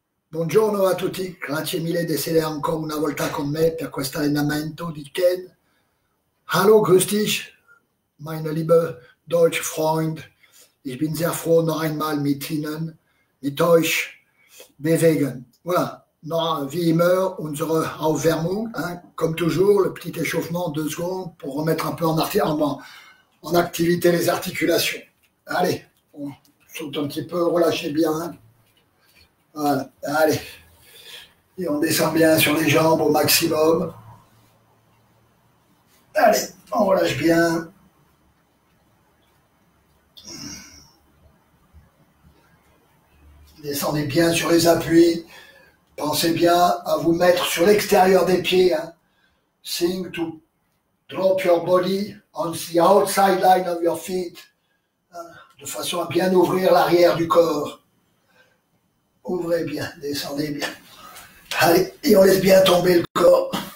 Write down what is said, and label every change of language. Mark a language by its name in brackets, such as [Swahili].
[Italian] Buongiorno a tutti, grazie mille d'essere ancora una volta con me per questo allenamento di Ken. [German] Hallo, grüß dich, meine liebe deutsche Freund. Ich bin sehr froh, noch einmal mit Ihnen, mit euch bewegen. [French] Voilà. [German] Non, wie immer, unsere Aufwärmung, [French] hein, comme toujours, le petit échauffement, 2 secondes, pour remettre un peu en activité les articulations. Allez, on saute un petit peu, relâchez bien. Voilà, allez. Et on descend bien sur les jambes au maximum. Allez, on relâche bien. Descendez bien sur les appuis. Pensez bien à vous mettre sur l'extérieur des pieds. Hein. [English] Think to drop your body on the outside line of your feet. [French] Hein, de façon à bien ouvrir l'arrière du corps. Ouvrez bien, descendez bien. Allez, et on laisse bien tomber le corps.